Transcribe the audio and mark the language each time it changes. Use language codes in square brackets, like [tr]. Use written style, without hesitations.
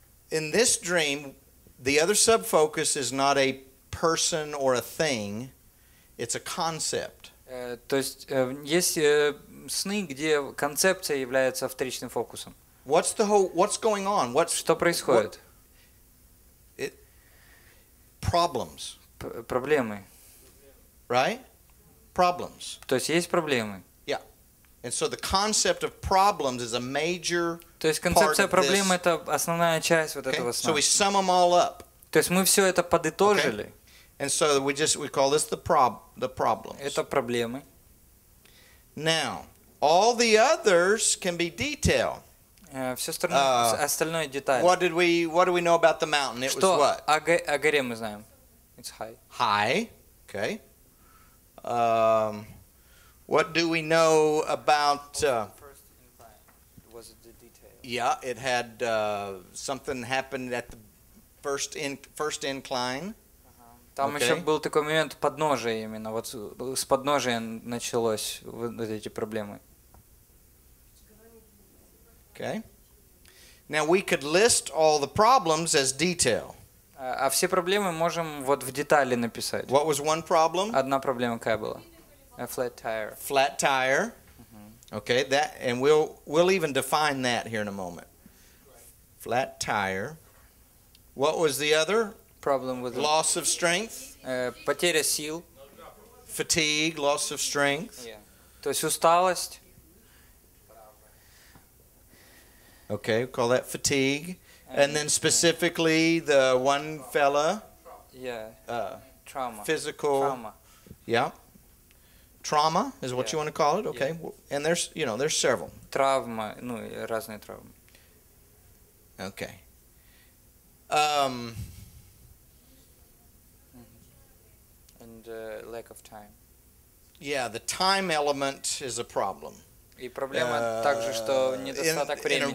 [en] In this dream, the other subfocus is not a person or a thing; it's a concept. [ru] То есть есть сны, где концепция является вторичным фокусом. [en] What's the whole? What's going on? What's [ru] что происходит? [en] Problems. [ru] Проблемы. [en] Right? Problems. [ru] То есть есть проблемы. [en] Yeah. And so the concept of problems is a major. [ru] То есть концепция проблем – это основная часть вот этого сна. [en] So we sum them all up. [ru] То есть мы все это подытожили. [en] And so we call this the problems. [ru] Это проблемы. [en] Now, all the others can be detail. [ru] Все остальное – деталь. [en] What do we know about the mountain? It was what? [ru] О горе мы знаем. [en] It's high. High. Okay. What do we know about... First incline. Was it the detail? Yeah, it had something happened at the first incline. [ru] Там okay. еще был такой момент подножия именно, вот с подножия началось вот эти проблемы. [en] Okay. Now we could list all the problems as detail. [ru] А все проблемы можем вот в детали написать. [en] What was one problem? [ru] Одна проблема какая была? [en] A flat tire. Flat tire. Mm-hmm. Okay, that, and we'll even define that here in a moment. Flat tire. What was the other? Problem with loss of strength. [ru] Потеря сил. [en] Fatigue, loss of strength. [ru] Yeah. То есть усталость. [en] Okay, call that fatigue. And then specifically the one fella. Yeah. Trauma. Physical. Trauma. Yeah. Trauma is what you want to call it. Okay. Yeah. And there's, you know, there's several. [ru] Травма, ну, разные травмы. [en] Okay. And lack of time. Yeah, the time element is a problem. [ru] И проблема также, что недостаток времени.